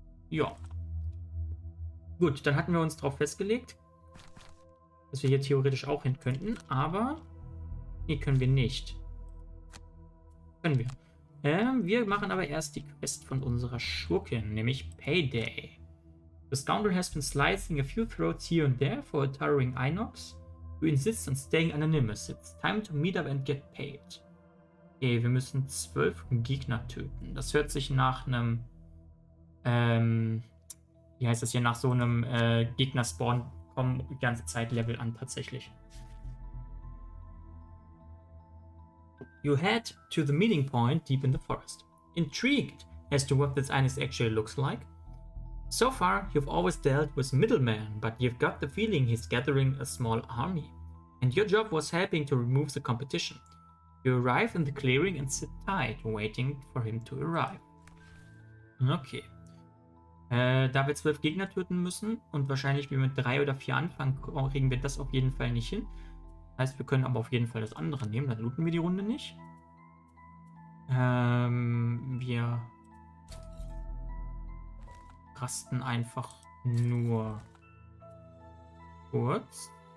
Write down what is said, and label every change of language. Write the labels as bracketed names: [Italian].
[German] Ja. Gut, dann hatten wir uns darauf festgelegt, dass wir hier theoretisch auch hin könnten, aber nee, können wir nicht. Können wir. Wir machen aber erst die Quest von unserer Schurkin, nämlich Payday. [English] The scoundrel has been slicing a few throats here and there for a towering Inox, who insists on staying anonymous. It's time to meet up and get paid. [German] Okay, wir müssen 12 Gegner töten. Das hört sich nach einem, wie heißt das hier, nach so einem Gegner-Spawn kommen die ganze Zeit Level an, tatsächlich. [English] You head to the meeting point deep in the forest. Intrigued as to what this Inox actually looks like. So far, you've always dealt with middlemen, but you've got the feeling he's gathering a small army. And your job was helping to remove the competition. You arrive in the clearing and sit tight, waiting for him to arrive. Okay. [German] Da wir 12 Gegner töten müssen und wahrscheinlich wir mit 3 oder 4 anfangen, kriegen wir das auf jeden Fall nicht hin. Heißt, wir können aber auf jeden Fall das andere nehmen, dann looten wir die Runde nicht. Wir rasten einfach nur kurz.